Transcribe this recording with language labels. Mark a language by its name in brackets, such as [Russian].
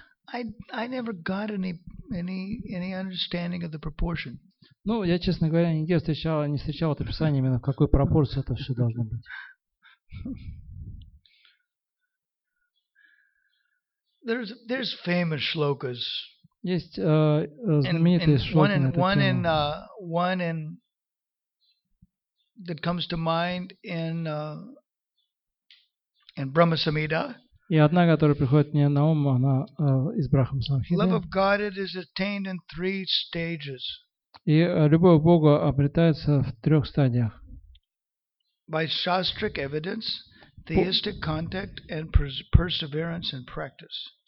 [English] I never got any understanding of the proportion. [Russian] Ну, я, честно говоря, нигде не встречал это описание именно в какой пропорции это все должно быть. [English] There's famous shlokas. [Russian] Есть знаменитые шлоки. [English] One that comes to mind in Brahma Samhita. [Russian] И одна, которая приходит мне на ум, она из Брахма Самхиты. [English] Love of God is attained in three stages. [Russian] И любовь к Богу обретается в трех стадиях. [English] By shastric evidence, theistic contact, and perseverance and practice.